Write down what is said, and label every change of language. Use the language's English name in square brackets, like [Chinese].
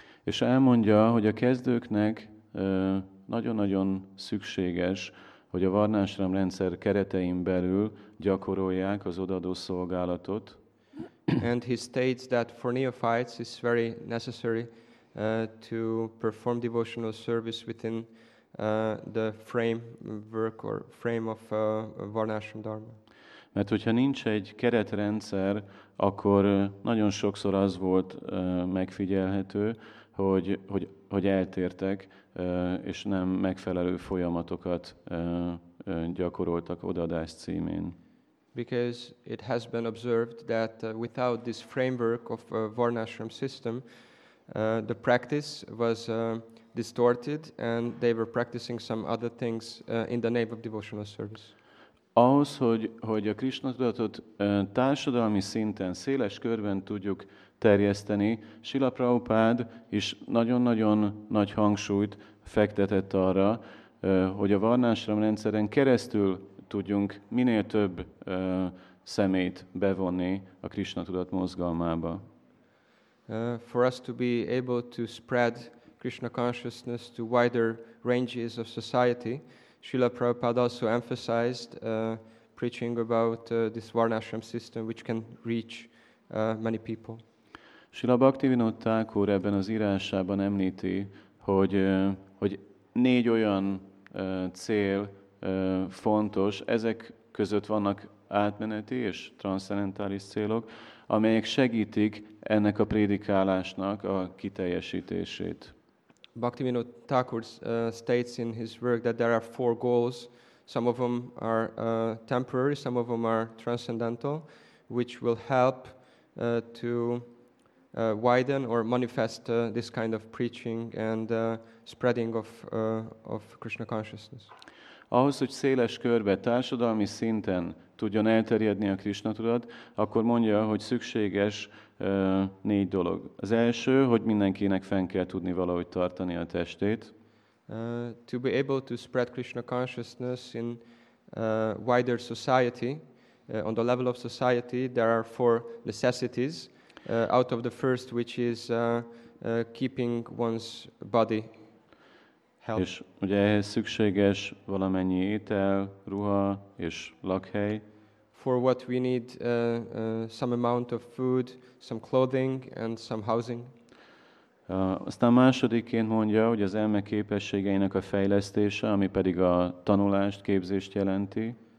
[Hungarian] És elmondja, hogy a kezdőknek nagyon-nagyon szükséges, hogy a Varnashram rendszer keretein belül gyakorolják az odaadó szolgálatot. [English] And he states that for neophytes it's very necessary to perform devotional service within the framework or frame of Varnashram Dharma. [Hungarian] Mert hogyha nincs egy keretrendszer, akkor nagyon sokszor az volt megfigyelhető, hogy eltértek, és nem megfelelő folyamatokat gyakoroltak odaadás címén. [English] Because it has been observed that without this framework of Varnashram system, the practice was distorted and they were practicing some other things in the name of devotional service. [Hungarian] Ahhoz, hogy a Krishna tudatot társadalmi szinten, széles körben tudjuk terjeszteni, Srila Prabhupada is nagyon-nagyon nagy hangsúlyt fektetett arra, hogy a Varnashram rendszeren keresztül tudjunk minél több szemét bevonni a Krishna tudat mozgalmába. [English] For us to be able to spread Krishna consciousness to wider ranges of society. Srila Prabhupada also emphasized preaching about this Varnashram system, which can reach many people. [Hungarian] Srila Bhaktivinoda Thakur ebben az írásában említi, hogy négy olyan cél fontos, ezek között vannak átmeneti és transzcendentális célok, amelyek segítik ennek a prédikálásnak a kiteljesítését. [English] Bhaktivinoda Thakur states in his work that there are four goals, some of them are temporary, some of them are transcendental, which will help to widen or manifest this kind of preaching and spreading of Krishna consciousness. [Hungarian] Ahhoz, hogy széles körbe, társadalmi szinten tudjon elterjedni a Krishna tudat, akkor mondja, hogy szükséges négy dolog. Az első, hogy mindenkinek fenn kell tudni valahogy tartani a testét. [English] To be able to spread Krishna consciousness in wider society, on the level of society, there are four necessities. Out of the first, which is keeping one's body healthy. [Hungarian] És ugye ehhez szükséges valamennyi étel, ruha és lakhely. [English] For what we need some amount of food, some clothing and some housing. [Hungarian] Aztán másodikként mondja, hogy az elme képességeinek a fejlesztése, ami pedig a tanulást, képzést jelenti.